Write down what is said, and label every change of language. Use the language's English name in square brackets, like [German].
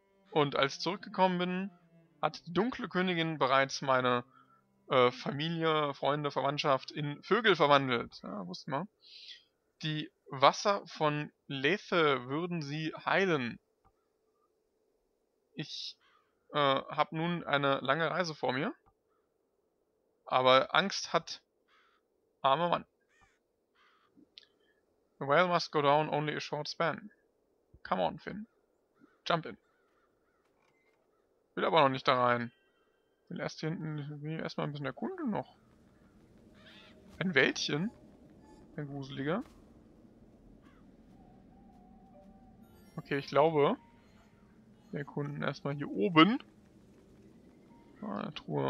[German] Und als ich zurückgekommen bin, hat die dunkle Königin bereits meine Familie, Freunde, Verwandtschaft in Vögel verwandelt. Ja, wusste man. Die Wasser von Lethe würden sie heilen. Ich habe nun eine lange Reise vor mir. Aber Angst hat armer Mann. [English] The whale must go down only a short span. Come on, Finn. Jump in. [German] Will aber noch nicht da rein. Will erst hier hinten wie erstmal ein bisschen erkunden noch. Ein Wäldchen? Ein gruseliger. Okay, ich glaube, wir erkunden erstmal hier oben. Eine Truhe.